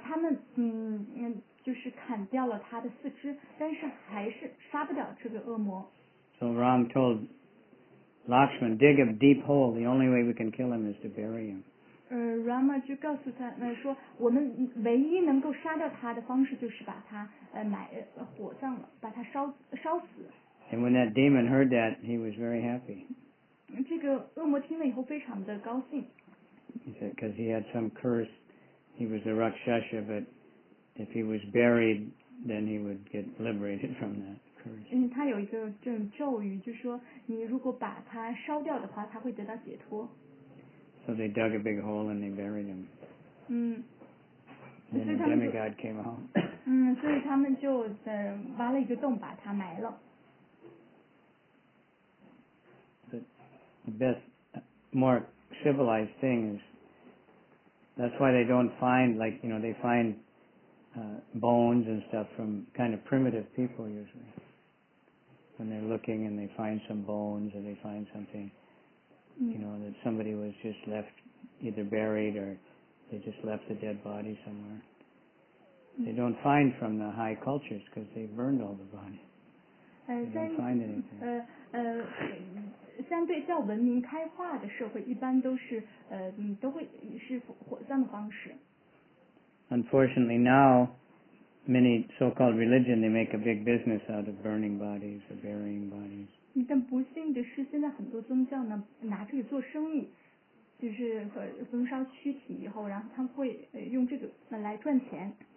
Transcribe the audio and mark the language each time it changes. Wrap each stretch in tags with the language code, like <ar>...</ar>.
<zh>他们就是砍掉了他的四肢，但是还是杀不了这个恶魔。</zh> <en>So Ram told Lakshman, "Dig a deep hole. The only way we can kill him is to bury him."</en> <zh>Rama 就告诉他们说，我们唯一能够杀掉他的方式就是把他埋火葬了，把他烧死。</zh> <en>And when that demon heard that, he was very happy.</en> <zh>这个恶魔听了以后非常的高兴。</zh> <en>He said, "Because he had some curse, he was a Rakshasa, but if he was buried, then he would get liberated from that."</en> <zh>因为他有一个这种咒语，就说你如果把它烧掉的话，他会得到解脱。</zh> <en>So they dug a big hole and they buried him. 嗯。 And the demigod came out.</en> <zh>所以他们就挖了一个洞把它埋了。</zh> <en>The best, more civilized thing is. That's why they don't find like you know they find, bones and stuff from kind of primitive people usually. When they're looking and they find some bones or they find something, you know, that somebody was just left either buried or they just left a dead body somewhere. They don't find from the high cultures because they burned all the bodies. They don't find anything.</en> <zh>相对较文明开化的社会一般都是都会是火葬的方式。</zh> <en>Unfortunately now,Many so-called religion, they make a big business out of burning bodies or burying bodies.</en> <zh>但不幸的是，现在很多宗教呢，拿这个做生意，就是焚烧躯体以后，然后他们会用这个来赚钱。</zh>